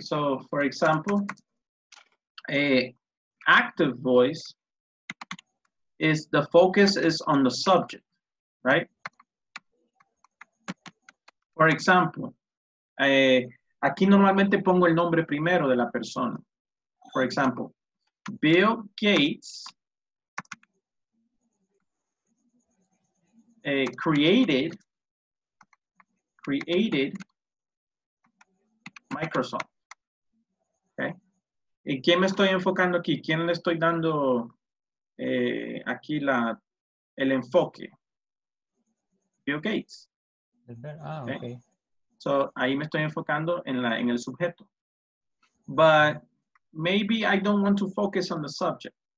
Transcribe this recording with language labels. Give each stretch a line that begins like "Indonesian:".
English: So, for example, a active voice is the focus is on the subject, right? For example,
Spanish: aquí normalmente pongo el nombre primero de la persona.
English: For example, Bill Gates created Microsoft. Okay.
Spanish: ¿Y quién me estoy enfocando aquí? ¿Quién le estoy dando aquí el enfoque? Bill Gates. Okay. So ahí me estoy enfocando en el sujeto.
English: But maybe I don't want to focus on the subject.